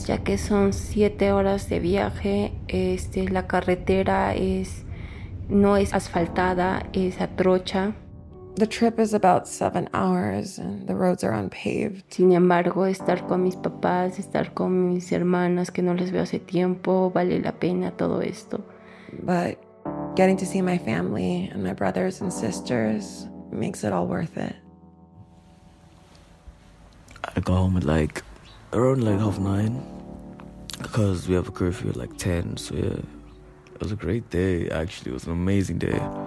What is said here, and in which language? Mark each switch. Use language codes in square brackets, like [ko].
[es] Ya que son 7 horas de viaje, la carretera no es asfaltada, es a trocha. [en] The trip is about 7 hours and the roads are unpaved. [es] Sin embargo, estar con mis papás, estar con mis hermanas que no les veo hace tiempo, vale la pena todo esto. [en] But getting to see my family and my brothers and sisters makes it all worth it. I go home at like around like 9:30 because we have a curfew at like 10. So yeah, it was a great day. Actually, it was an amazing day.